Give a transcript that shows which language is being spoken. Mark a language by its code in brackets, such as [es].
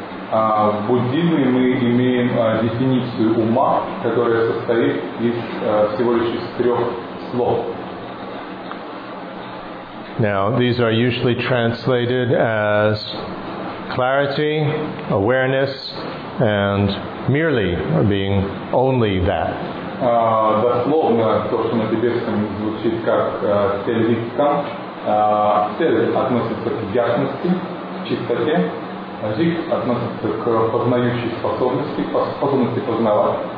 [ru] В буддизме мы имеем дефиницию ума, которая состоит из всего лишь из трех слов. [en] Now, these are usually translated as clarity, awareness, and merely, or being only that. [ru] Дословно, то, что на тибетском звучит как телевизка, цель относится к ясности, к чистоте. Зиг относится к познающей способности, способности познавать.